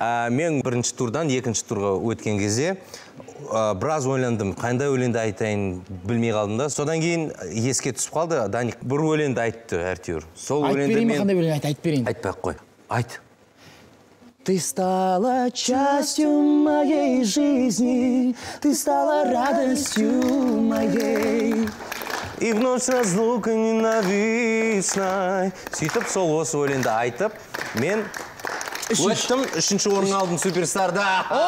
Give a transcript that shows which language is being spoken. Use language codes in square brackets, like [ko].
[kk] Мен бірінші турдан екінші турға өткен кезде біраз ойландым. Қандай өлеңді айтайын білмей қалдым да. Содан кейін еске түсіп қалды. Даник бір өлеңді айтты әртүр. Сол өлеңді мен... Айтып берейін, қандай өлең айтып қой. Айт. [ru] Ты стала частью моей жизни, ты стала радостью моей. И вновь разлука ненавистной. [kk] Сөйтіп сол осы өлеңді айтып, мен өттім, үшінші орын алдым Суперстарда.